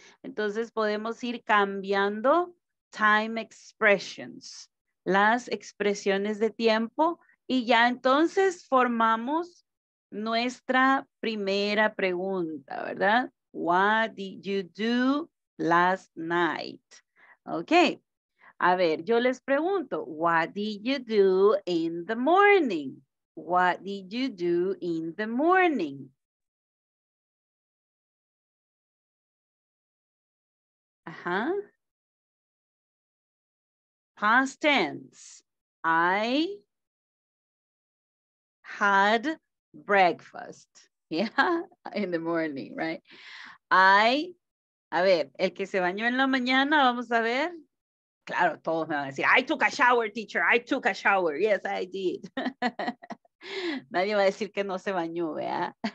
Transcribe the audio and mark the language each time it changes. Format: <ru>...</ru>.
<es>Entonces podemos ir cambiando</es> <en>time expressions,</en> <es>las expresiones de tiempo, y ya entonces formamos nuestra primera pregunta, ¿verdad?</es> <en>What did you do last night? Ok.</en> <es>A ver, yo les pregunto,</es> <en>what did you do in the morning? What did you do in the morning? Ajá. Past tense, I had breakfast, in the morning, right?</en> <es>A ver, el que se bañó en la mañana, vamos a ver. Claro, todos me van a decir,</es> <en>I took a shower, teacher, I took a shower. Yes, I did.</en> <es>Nadie va a decir que no se bañó, ¿vea?</es>